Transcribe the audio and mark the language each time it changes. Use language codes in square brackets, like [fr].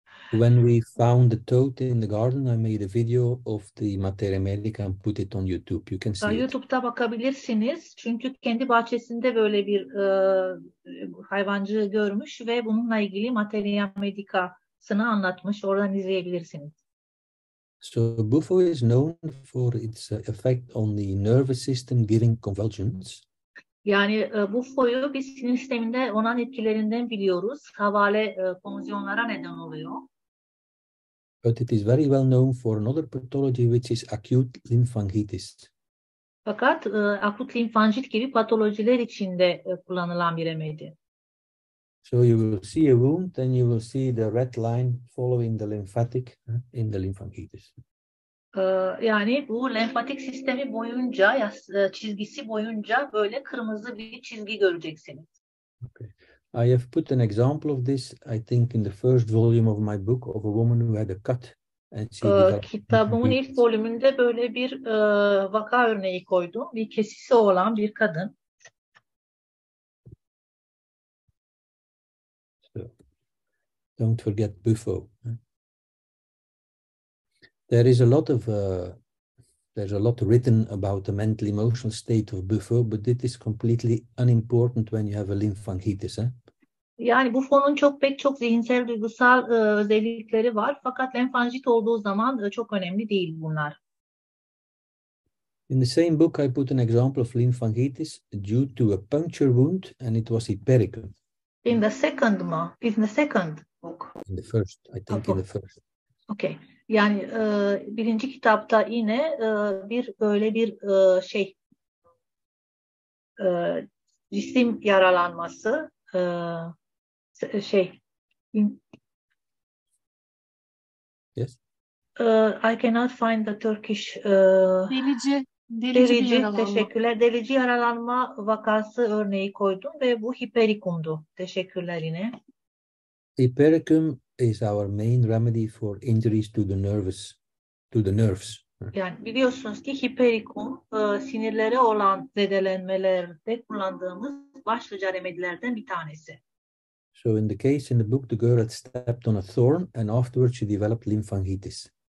[en] When we found the toad in the garden, I made a video of the Materia Medica and put it on YouTube. You can see [tr] YouTube'da [en] it. [tr] YouTube'da bakabilirsiniz. Çünkü kendi bahçesinde böyle bir hayvancığı görmüş ve bununla ilgili Materia Medica'sını anlatmış. Oradan izleyebilirsiniz. [en] So Buffo is known for its effect on the nervous system during convulsions. [tr] Yani Buffo'yu biz sinir sisteminde onun etkilerinden biliyoruz. Havale konvulsiyonlara neden oluyor. [en] But it is very well known for another pathology, which is acute lymphangitis. [tr] Fakat akut limfangit gibi patolojiler içinde kullanılan bir remedi. [en] So you will see a wound, then you will see the red line following the lymphatic in the lymphangitis. [tr] Yani bu lenfatik sistemi boyunca, çizgisi boyunca böyle kırmızı bir çizgi göreceksiniz. [en] Okay. I have put an example of this, I think, in the first volume of my book of a woman who had a cut. [tr] Kitabımın ilk bölümünde böyle bir vaka örneği koydum. Bir kesisi olan bir kadın. [en] Don't forget Buffo. There is a lot of there's a lot written about the mental emotional state of Buffo, but it is completely unimportant when you have a lymphangitis. Eh? [tr] Yani Buffo'nun çok pek çok zihinsel duygusal özellikleri var, fakat lenfangit olduğu zaman çok önemli değil bunlar. [en] In the same book, I put an example of lymphangitis due to a puncture wound, and it was hypericum. In the second ma, in the second. Book. In the first, I think in the first. Okay. [tr] Yani birinci kitapta yine bir böyle bir şey cisim yaralanması şey. [en] Yes. I cannot find the Turkish. [tr] Delici. Delici. Teşekkürler. Delici yaralanma vakası örneği koydum ve bu hiperikumdu. Teşekkürler yine. [en] Hypericum is our main remedy for injuries to the nervous, to the nerves. [tr] Yani biliyorsunuz ki hipericum sinirlere olan zedelenmelerde kullandığımız başlıca remedilerden bir tanesi. [en] So in the case in the book, the girl had stepped on a thorn and afterwards she developed lymphangitis.